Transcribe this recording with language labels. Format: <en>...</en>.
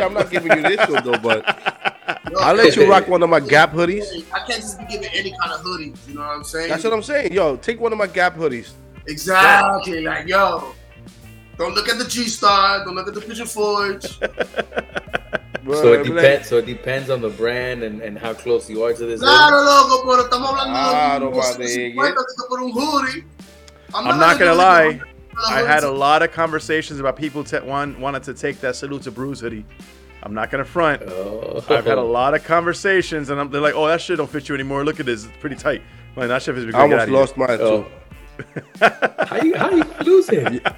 <en>I'm not giving you this one, though, but I'll let you rock one of my Gap hoodies. I can't just be giving any kind of hoodies. You know what I'm saying? That's what I'm saying. Yo, take one of my Gap hoodies. Exactly. Like, yo, don't look at the G-Star. Don't look at the Pigeon Forge. Bro, so it depends. So it depends on the brand and how close you are to this.</en> <es>Claro, logo, pero estamos hablando de un hoodie.</es> <en>I'm not gonna lie. I had a lot of conversations about people wanted to take that Salute to Bruce hoodie. I'm not gonna front. Oh. I've had a lot of conversations, and they're like, "Oh, that shit don't fit you anymore. Look at this; it's pretty tight." Man, that shit has been great. I almost lost mine too. How you lose it?</en>